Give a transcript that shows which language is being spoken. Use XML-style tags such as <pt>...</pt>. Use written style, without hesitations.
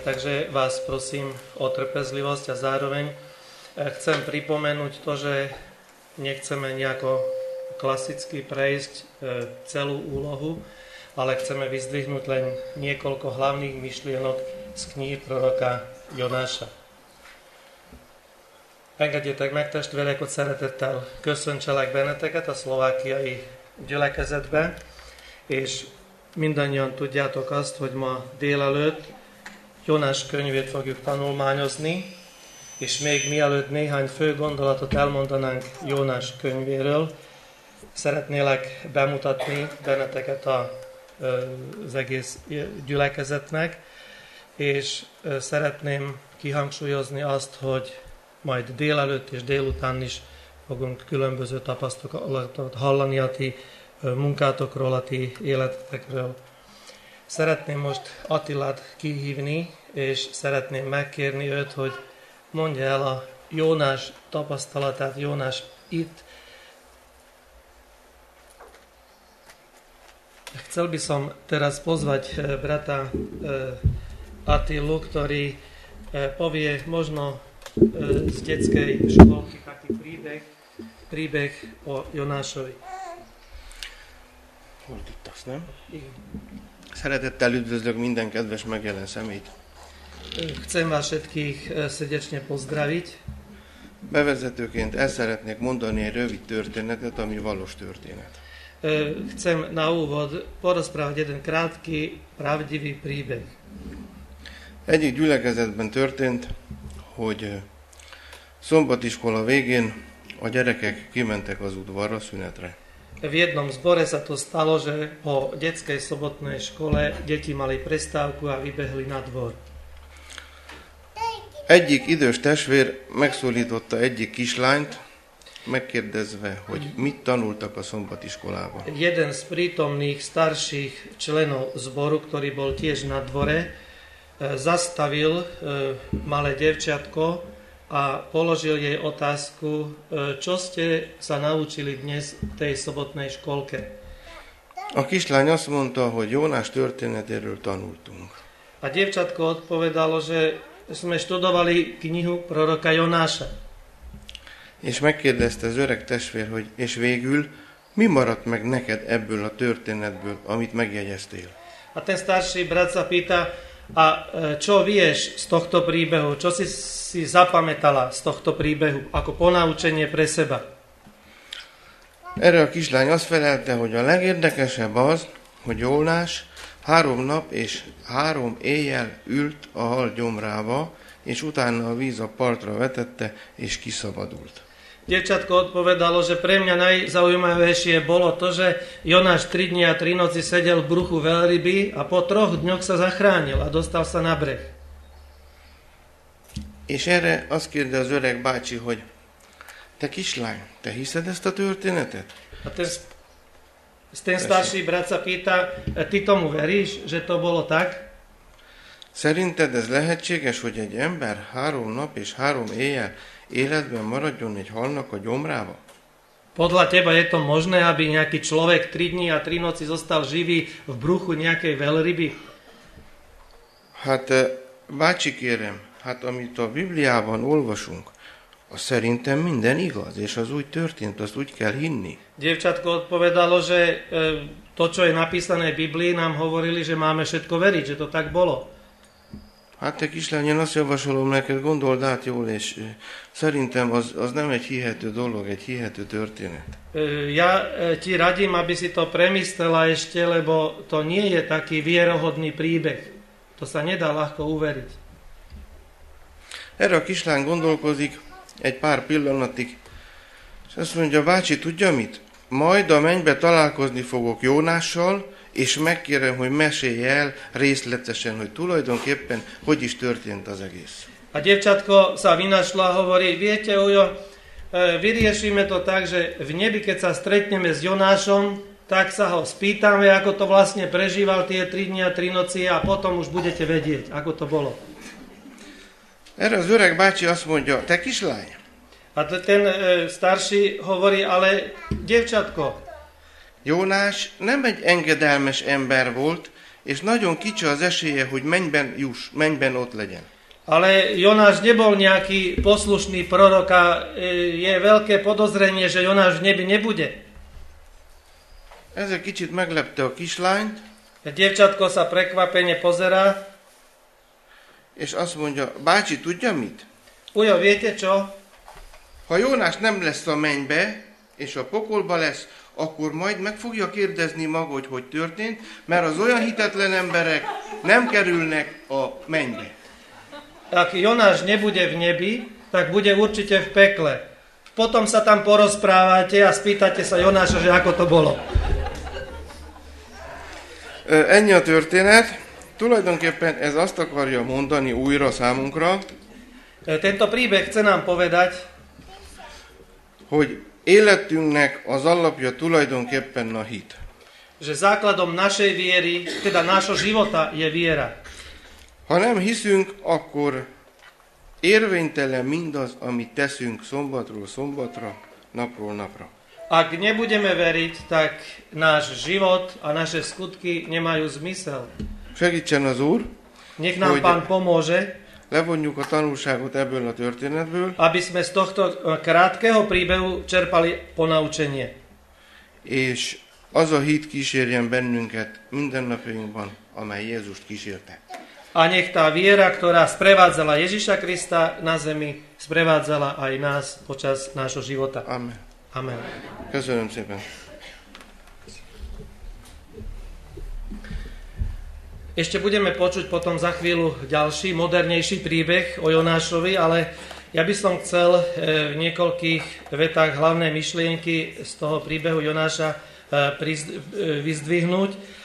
<sk>Takže vás prosím o trpezlivosť a zároveň chcem pripomenúť to, že nechceme nejako klasicky prejsť celú úlohu, ale chceme vyzdvihnúť len niekoľko hlavných myšlienok z knihy proroka Jonáša.</sk> <hu>Engedjétek meg, testvérek, hogy szeretettel köszöntselek benneteket a szlovákiai gyülekezetbe, és mindannyian tudjátok azt, hogy ma délelőtt Jonás könyvét fogjuk tanulmányozni, és még mielőtt néhány fő gondolatot elmondanánk Jonás könyvéről, szeretnélek bemutatni benneteket az egész gyülekezetnek, és szeretném kihangsúlyozni azt, hogy majd délelőtt és délután is fogunk különböző tapasztalatokat hallani a ti munkátokról, a ti életetekről. Szeretném most Attilát kihívni, és szeretném megkérni őt, hogy mondja el a Jónás tapasztalatát, Jónás itt.</hu> <sk>Chcel by som teraz pozvať brata Attilu, ktorý povie možno z detskej školky taký príbeh o Jonášovi.</sk> <hu>Fordítasz, nem? Szeretettel üdvözlök minden kedves megjelen szemét.</hu> <sk>Chcem vás všetkých srdečne pozdraviť.</sk> <hu>Bevezetőként el szeretnék mondani egy rövid történetet, ami valós történet.</hu> <sk>Chcem na úvod porozprávať jeden krátky, pravdivý príbeh.</sk> <hu>Egyik gyülekezetben történt, hogy szombatiskola végén a gyerekek kimentek az udvarra szünetre.</hu> <sk>V jednom zbore sa to stalo, že po detskej sobotnej škole deti mali prestávku a vybehli na dvor.</sk> <hu>Egyik idős testvér megszólította egyik kislányt, megkérdezve, hogy mit tanultak a szombatiskolában.</hu> <sk>Jeden z prítomných starších členov zboru, ktorý bol tiež na dvore, zastavil malé devčiatko a položil jej otázku, čo ste sa naučili dnes v tej sobotnej školke.</sk> <hu>A kislány azt mondta, hogy Jónás történetéről tanultunk.</hu> <sk>A dievčatko odpovedalo, že sme študovali knihu proroka Jonáša.</sk> <hu>És megkérdezte az öreg testvér, hogy és végül mi maradt meg neked ebből a történetből, amit megjegyeztél?</hu> <sk>A ten starší brat sa pýta, a čo vieš z tohto príbehu, čo si si zapamätala z tohto príbehu, ako ponaučenie pre seba?</sk> <hu>Erre a kislány azt felelte, hogy a legérdekesebb az, hogy Jónás három nap és három éjjel ült a hal gyomrába, és utána a víz a partra vetette, és kiszabadult.</hu> <sk>Dievčatko odpovedalo, že pre mňa najzaujímavejšie bolo to, že Jonáš 3 dní a 3 noci sedel v bruchu veľryby a po troch dňoch sa zachránil a dostal sa na breh.</sk> <hu>És erre azt kérde az öreg bácsi, hogy te kislány, te hiszed ezt a történetet?</hu> <sk>A ten starší brat sa pýta, ty tomu veríš, že to bolo tak?</sk> <hu>Szerinted ez lehetséges, hogy egy ember három nap és három éjjel életben maradjon egy halnak a gyomrába?</hu> <sk>Podľa teba je to možné, aby nejaký človek 3 dní a 3 noci zostal živý v bruchu nejakej veľryby?</sk> <hu>Hát, bácsi kérem, hát amit a Bibliában olvasunk, a szerintem minden igaz, és az úgy történt, azt úgy kell hinni.</hu> <sk>Dievčatko odpovedalo, že to, čo je napísané v Biblii, nám hovorili, že máme všetko veriť, že to tak bolo.</sk> <hu>Hát te kislány, én azt javasolom neked, gondold át jól, és szerintem az nem egy hihető dolog, egy hihető történet.</hu> <sk>Ja ti radím, aby si to premyslela ešte, lebo to nie je taký vierohodný príbeh. To sa nedá ľahko uveriť.</sk> <hu>Erre a kislány gondolkozik egy pár pillanatig, és azt mondja, bácsi, tudja mit? Majd a mennybe találkozni fogok Jónással, és megkérem, hogy mesélj el részletesen, hogy tulajdonképpen hogy is történt az egész.</hu> <sk>A dievčatko sa vynašla, hovorí, viete, Ujo, vyriešime to tak, že v nebi, keď sa stretneme s Jonášom, tak sa ho spýtame, ako to vlastne prežíval tie 3 dni a 3 noci a potom už budete vedieť, ako to bolo.</sk> <hu>Erre az öreg bácsi azt mondja, te kislány.</hu> <sk>A ten starší hovorí, ale dievčatko.</sk> <hu>Jonás nem egy engedelmes ember volt, és nagyon kicsi az esélye, hogy mennyben juss, mennyben ott legyen.</hu> <sk>Ale Jonáš nebol nejaký poslušný prorok a je veľké podozrenie, že Jonáš v nebi nebude.</sk> <hu>Ez egy kicsit meglepte a kislányt.</hu> <sk>A dievčatko sa prekvapene pozerá.</sk> <hu>És azt mondja, bácsi, tudja mit?</hu> <sk>Ujo, viete čo?</sk> <hu>Ha Jonás nem lesz a mennybe, és a pokolba lesz, akkor majd meg fogja kérdezni maga, hogy hogy történt, mert az olyan hitetlen emberek nem kerülnek a mennybe.</hu> <sk>Ak Jonáš nebude v nebi, tak bude určite v pekle. Potom sa tam porozprávate a spýtate sa Jonáša, že ako to bolo.</sk> <hu>Ennyi a történet. Tulajdonképpen ez azt akarja mondani újra számunkra.</hu> <sk>Tento príbeh chce nám povedať,</sk> <hu>hogy életünknek az alapja tulajdonképpen a hit.</hu> <sk>Že základom našej viery, teda nášho života je viera.</sk> <hu>Ha nem hiszünk, akkor érvénytelen mindaz, amit teszünk szombatról szombatra, napról napra.</hu> <sk>Ak nebudeme veriť, tak náš život a naše skutky nemajú zmysel.</sk> <hu>Segítsen az Úr,</hu> <sk>nech nám Pán pomôže,</sk> <hu>levonjuk a tanulságot ebből a történetből,</hu> <sk>aby sme z tohto krátkeho príbehu čerpali ponaučenie.</sk> <hu>És az a hit kísérjen bennünket mindennapjainkban, amely Jézust kísérte.</hu> <sk>A nech tá viera, ktorá sprevádzala Ježiša Krista na zemi, sprevádzala aj nás počas nášho života.</sk> <hu>Amen.</hu> <sk>Amen.</sk> <hu>Köszönöm szépen.</hu> <sk>Ešte budeme počuť potom za chvíľu ďalší, modernejší príbeh o Jonášovi, ale ja by som chcel v niekoľkých vetách hlavné myšlienky z toho príbehu Jonáša vyzdvihnúť.</sk>